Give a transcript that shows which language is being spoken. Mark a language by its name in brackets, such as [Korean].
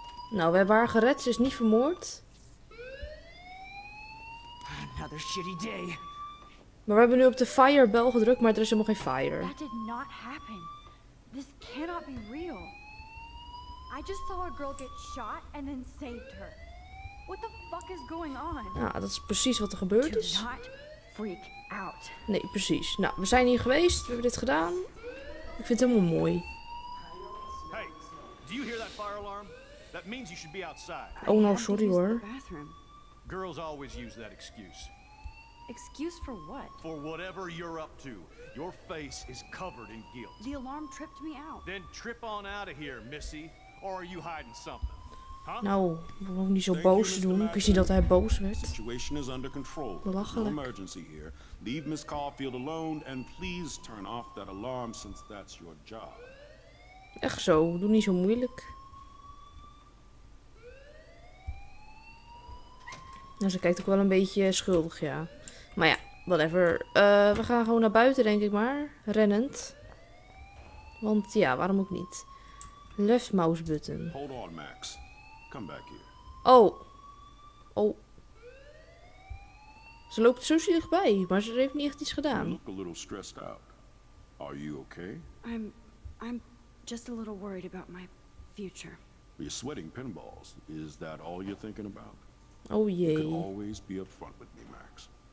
[Dutch] Nou, we hebben haar gered. Ze is niet vermoord. Maar we hebben nu op de firebel gedrukt, maar er is helemaal geen fire. [English] That did not happen. This cannot be real. I just saw a girl get shot and then saved her. What the fuck is going on? [Dutch] Ja, dat is precies wat er gebeurd is. [English] Do not freak out. [Dutch] Nee, precies. Nou, we zijn hier geweest, we hebben dit gedaan. Ik vind het helemaal mooi. [English] Hey, do you hear that fire alarm? That means you should be outside. Oh no, [Dutch] sorry hoor. [English] Girls always use that excuse. Excuse for what? For whatever you're up to. Your face is covered in guilt. The alarm tripped me out. Then trip on out of here, Missy. Or are you hiding something? Huh? [Dutch] Nou, we hoeven niet zo boos te doen. Ik zie dat hij boos werd. [English] Situation is under control. [Dutch] Belachelijk. [English] Emergency here. Leave Miss Caulfield alone and please turn off that alarm since that's your job. [Dutch] Echt zo, doe niet zo moeilijk. Nou, ze kijkt ook wel een beetje schuldig, ja. Maar ja, whatever. We gaan gewoon naar buiten, denk ik maar. Rennend. Want ja, waarom ook niet? [English] Left mouse button. Hold on, Max. Come back here. Oh. Oh. [Dutch] Ze loopt zo zielig bij, maar ze heeft niet echt iets gedaan. [English] You look a little stressed out. Are you okay? I'm just a little worried about my future. You're sweating pinballs. Is that all you're thinking about? [Dutch] Oh jee. [English] You can always be upfront with me, Max.